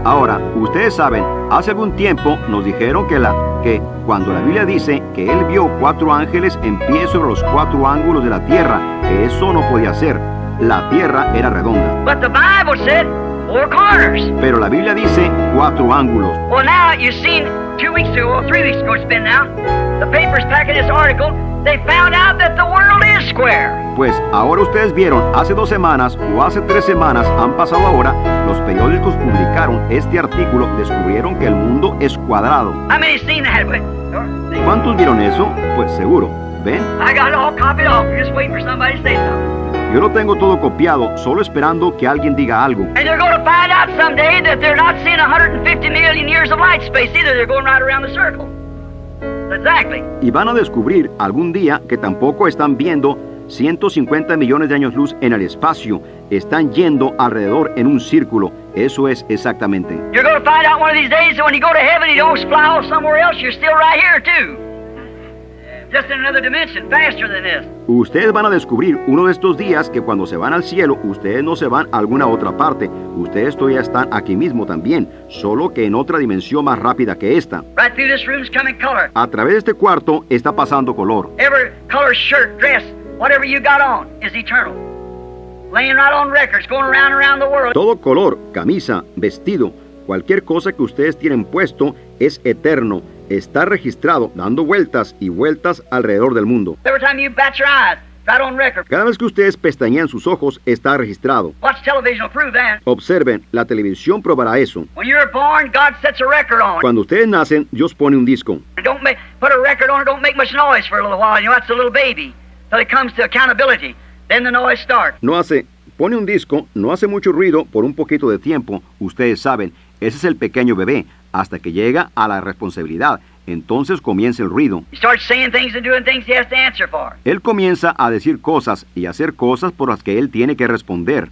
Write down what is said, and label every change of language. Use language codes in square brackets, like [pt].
[es] Ahora, ustedes saben, hace algún tiempo nos dijeron que cuando la Biblia dice que él vio cuatro ángeles en pie sobre los cuatro ángulos de la tierra, que eso no podía ser. La tierra era redonda. [en] But the Bible said four corners. [es] Pero la Biblia dice cuatro ángulos. [en] Well, now you've seen 2 weeks ago, 3 weeks ago it's been now, the papers packing this article, they found out that the world is square. [es] Pues ahora ustedes vieron, hace 2 semanas o hace 3 semanas han pasado ahora, los periódicos publicaron este artículo, descubrieron que el mundo es cuadrado. [en] I mean, seen that, but... [es] ¿Cuántos vieron eso? Pues seguro, ¿ven? [en] I got it all copied off. Just waiting for somebody to say something. [es] Yo lo tengo todo copiado, solo esperando que alguien diga algo. [en] And they're going to find out someday that they're not seeing 150 million years of light space either. They're going right around the circle. Exactly. [es] Y van a descubrir algún día que tampoco están viendo 150 millones de años luz en el espacio están yendo alrededor en un círculo. Eso es exactamente. [en] You're going to find out one of these days that when you go to heaven, you don't fly off somewhere else. You're still right here too. Just in another dimension, faster than this. [es] Ustedes van a descubrir uno de estos días que cuando se van al cielo, ustedes no se van a alguna otra parte. Ustedes todavía están aquí mismo también, solo que en otra dimensión más rápida que esta. [en] Right through this room's coming color. [es] A través de este cuarto está pasando color. [en] Every color shirt, dress, whatever you got on is eternal. Laying right on records, going around and around the world. [es] Todo color, camisa, vestido, cualquier cosa que ustedes tienen puesto es eterno. Está registrado dando vueltas y vueltas alrededor del mundo. [en] Every time you bat your eyes, right on record. [es] Cada vez que ustedes pestañean sus ojos, está registrado. [en] Watch television will prove that. [es] Observen, la televisión probará eso. [en] When you're born, God sets a record on. [es] Cuando ustedes nacen, Dios pone un disco. [en] Don't put a record on, don't make much noise for a little while. You know, that's a little baby. Till it comes to accountability. Then the noise starts. [es] No hace, pone un disco, no hace mucho ruido por un poquito de tiempo. Ustedes saben, ese es el pequeño bebé. Hasta que llega a la responsabilidad, entonces comienza el ruido. [en] He starts saying things and doing things he has to answer for. [es] Él comienza a decir cosas y hacer cosas por las que él tiene que responder.